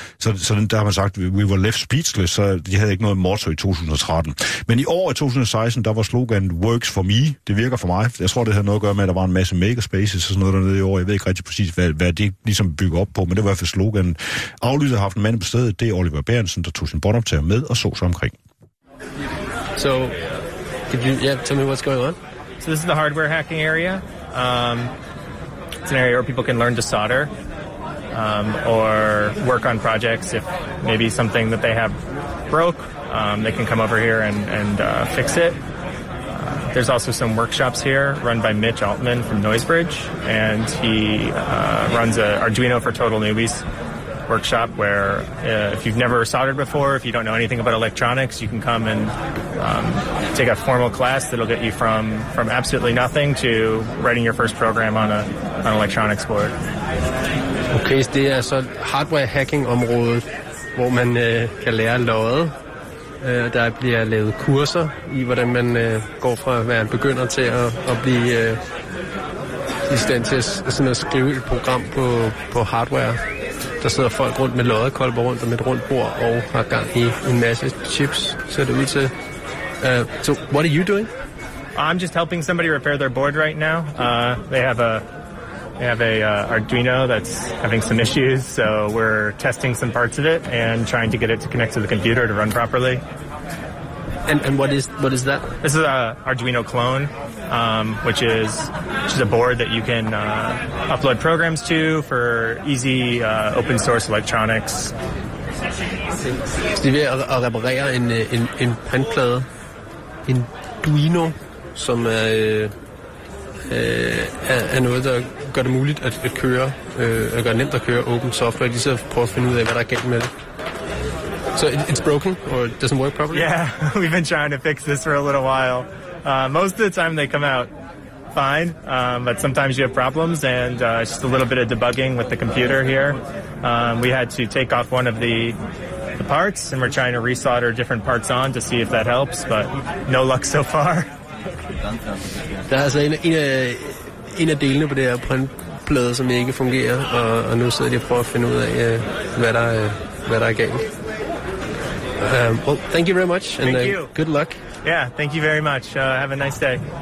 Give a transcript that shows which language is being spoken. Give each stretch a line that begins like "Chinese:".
Danish: Så der har man sagt,
English: we were left speechless,
Danish: så de havde ikke noget motto i 2013. Men i år i 2016, der var slogan
English: Works for me,
Danish: det virker for mig. Jeg tror, det havde noget at gøre med, at der var en masse makerspaces og sådan noget dernede i år. Jeg ved ikke rigtig præcis, hvad det ligesom bygger op på, men det var i hvert fald sloganen. Aflyttet har haft en mand på stedet, det er Oliver Berntsen, der tog sin båndoptager med og så sig omkring.
English: So, could you tell me what's going on? So this is the hardware hacking area. It's an area where people can learn to solder or work on projects if maybe something that they have broke. They can come over here and fix it. There's also some workshops here run by Mitch Altman from Noisebridge, and he runs an Arduino for Total Newbies workshop where if you've never soldered before, if you don't know anything about electronics, you can come and take a formal class that'll get you from absolutely nothing to writing your first program on an electronics board.
Danish: Okay, det er så hardware hacking området, hvor man kan lære noget. Der bliver lavet kurser i, hvordan man går fra at være en begynder til at blive i stand til at skrive et program på hardware. Der sidder folk rundt med loddekolber rundt om et rundt bord og har gang i en masse chips, ser det ud til.
English: So, what are you doing? I'm just helping somebody repair their board right now. They have a Arduino that's having some issues, so we're testing some parts of it and trying to get it to connect to the computer to run properly. And what is that? This is a Arduino clone, which is a board that you can upload programs to for easy open source electronics.
Danish: Det er ved at reparere en printplade, en Arduino, som er noget, der gør det muligt at køre, at gøre nemt at køre open software. De så prøver at finde ud af, hvad der er galt med det.
English: So it's broken, or it doesn't work properly? Yeah, we've been trying to fix this for a little while. Most of the time they come out fine, but sometimes you have problems, and it's just a little bit of debugging with the computer here. We had to take off one of the parts, and we're trying to resolder different parts on to see if that helps, but no luck so far. Der er altså en af delene på det her printplade, som ikke fungerer, og nu sidder de og prøver at finde ud af, hvad der er galt. Well, thank you very much, and thank you. Good luck. Yeah, thank you very much. Have a nice day.